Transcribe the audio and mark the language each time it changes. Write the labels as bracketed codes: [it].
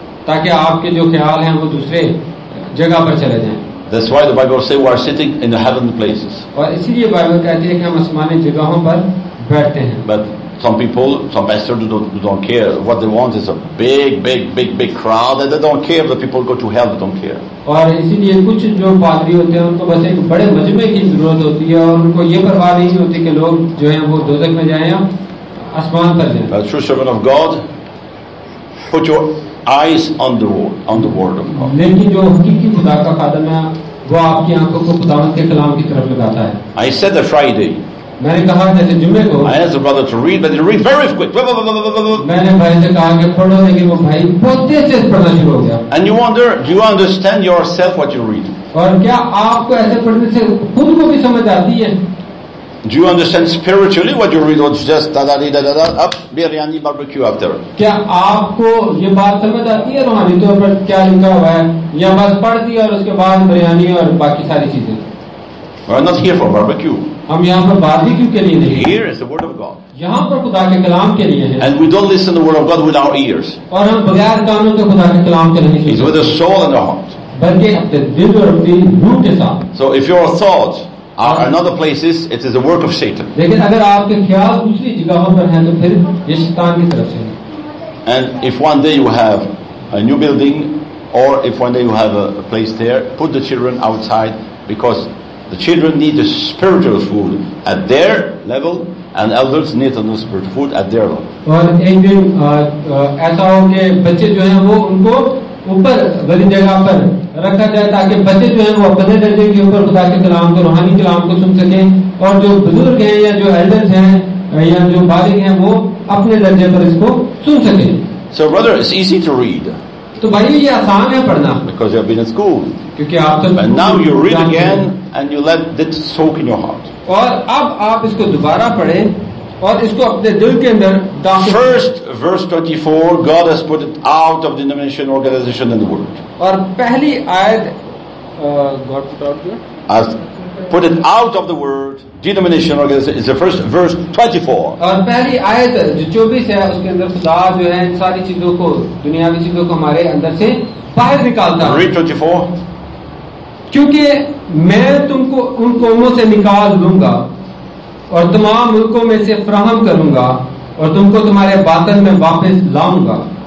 [en] That's why the Bible says we are sitting in the heavenly places. But Some people, some pastors don't care. What they want is a big crowd, and they don't care if the people go to hell, they don't care. [hi] और इसीलिए कुछ जो पादरी होते हैं उनको बस एक बड़े मजमे की जरूरत होती है और उनको ये परवाह नहीं होती कि लोग जो हैं वो दोजख में जाएं या आसमान पर जाएं. [en] A true servant of God, put your eyes on the word of God. [hi] लेकिन जो हकीकी खुदा का खादिम है वो आपकी आंखों को खुदावंत के कलाम की तरफ लगाता है. [en] I said that Friday. [hi] मैंने कहा जैसे जुम्मे को. [en] I asked the brother to read, but he read very quick. [hi] मैंने भाई से कहा कि पढ़ो, लेकिन वो भाई बहुत तेज से पढ़ना शुरू हो गया. [en] And you wonder, do you understand yourself what you read? [hi] और क्या आपको ऐसे पढ़ने से खुद को भी समझ आती है? [en] Do you understand spiritually what you read? Or just da da da da da up biryani barbecue after? [hi] क्या आपको ये बात समझ आती है रोहानी तौर पर क्या लिखा हुआ है या बस पढ़ दी और उसके बाद बिरयानी और बाकी सारी चीजें? [en] We are not here for barbecue. [hi] हम यहाँ पर बारबेक्यू के लिए नहीं. [en] Here is the word of God. [hi] यहाँ पर खुदा के कलाम के लिए है. [en] And we don't listen to the word of God with our ears. [hi] और हम बगैर कानों के खुदा के कलाम के नहीं सुनते. [en] It's with the soul and the heart. [hi] बल्कि अपने दिल और अपनी रूह के साथ. [en] So if your thoughts are in other places, it is the work of Satan. [hi] लेकिन अगर आपके ख्याल दूसरी जगहों पर हैं तो फिर ये शैतान की तरफ से. [en] And if one day you have a new building, or if one day you have a place there, put the children outside because the children need the spiritual food at their level, and elders need the spiritual food at their level. [hi] और एक दिन ऐसा हो कि बच्चे जो हैं वो उनको ऊपर बड़ी जगह पर रखा जाए ताकि बच्चे जो हैं वो अपने दर्जे के ऊपर खुदा के कलाम को रूहानी कलाम को सुन सकें और जो बुजुर्ग हैं या जो एल्डर्स हैं या जो बालिग हैं वो अपने दर्जे पर इसको सुन सकें. [en] So brother, it's easy to read. [hi] तो भाई ये आसान है पढ़ना. [en] Because you've been in school. [hi] क्योंकि आप तो. [en] And now you read again and you let it soak in your heart. [hi] और अब आप इसको दोबारा पढ़ें और इसको अपने दिल के अंदर. [en] First verse 24, God has put it out of denomination, organization, and the world. [hi] और पहली आयत God [en] has put it out of the world, denomination, organization. It's the first verse 24. [hi] और पहली आयत जो 24 है उसके अंदर खुदा जो है सारी चीजों को दुनियावी चीजों को हमारे अंदर से बाहर निकालता है. [en] Read 24. [hi] क्योंकि मैं तुमको उन कौमों से निकाल दूंगा और तमाम मुल्कों में से फराहम करूंगा और तुमको तुम्हारे बातन में वापस लाऊंगा.